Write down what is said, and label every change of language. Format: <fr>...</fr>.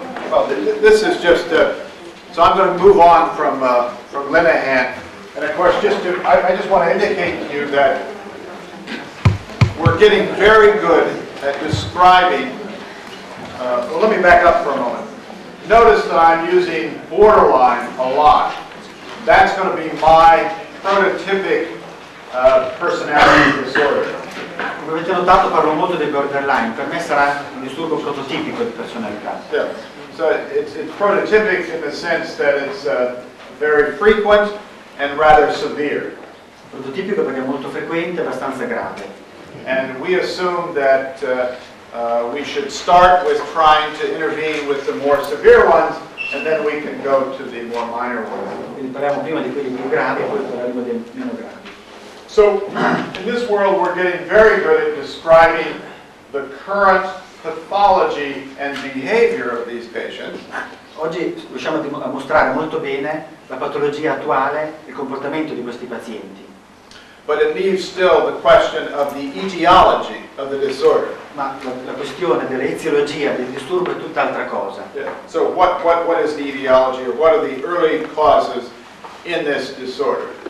<en>Well, this is just a, so I'm going to move on from Linehan, and of course, just to, I just want to indicate to you that we're getting very good at describing, well, let me back up for a moment. Notice that I'm using borderline a lot. That's going to be my prototypic personality disorder.</en> <it>Come avete notato, parlo molto del borderline. Per me sarà un disturbo prototipico di personalità.</it> <en>So it's prototypic in the sense that it's very frequent and rather severe.</en> <it>Prototipico perché è molto frequente, abbastanza grave.</it> <en>And we assume that we should start with trying to intervene with the more severe ones, and then we can go to the more minor ones.</en> <it>Quindi parliamo prima di quelli più gravi, poi parliamo dei meno gravi.</it> <en>So in this world, we're getting very good at describing the current pathology and behavior of these patients.</en> <it>Oggi riusciamo a mostrare molto bene la patologia attuale e il comportamento di questi pazienti.</it> <en>But it leaves still the question of the etiology of the disorder.</en> <it>Ma la questione dell'eziologia del disturbo è tutt'altra cosa.</it> <en>So what is the etiology, or what are the early causes in this disorder?</en>